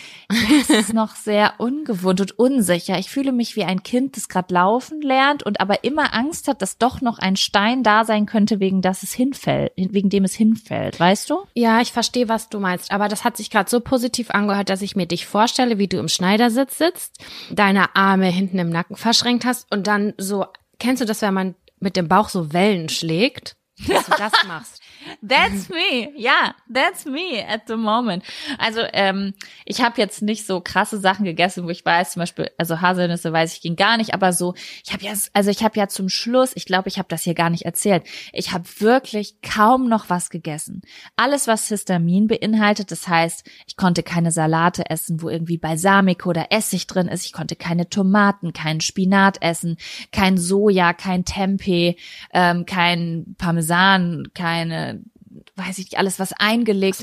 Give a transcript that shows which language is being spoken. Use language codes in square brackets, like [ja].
[de] Es ist noch sehr ungewohnt und unsicher. Ich fühle mich wie ein Kind, das gerade laufen lernt und aber immer Angst hat, dass doch noch ein Stein da sein könnte, wegen dem es hinfällt, weißt du? Ja, ich verstehe, was du meinst, aber das hat sich gerade so positiv angehört, dass ich mir dich vorstelle, wie du im Schneidersitz sitzt, deine Arme hinten im Nacken verschränkt hast und dann so, kennst du das, wenn man mit dem Bauch so Wellen schlägt? Dass du das machst. [en] That's me. [de] Ja, [en] that's me at the moment. [de] Also ich habe jetzt nicht so krasse Sachen gegessen, wo ich weiß, zum Beispiel, also Haselnüsse weiß ich, ging gar nicht. Aber so, ich habe zum Schluss, ich glaube, ich habe das hier gar nicht erzählt. Ich habe wirklich kaum noch was gegessen. Alles, was Histamin beinhaltet, das heißt, ich konnte keine Salate essen, wo irgendwie Balsamico oder Essig drin ist. Ich konnte keine Tomaten, keinen Spinat essen, kein Soja, kein Tempeh, kein Parmesan, keine, weiß ich nicht, alles, was eingelegt ist.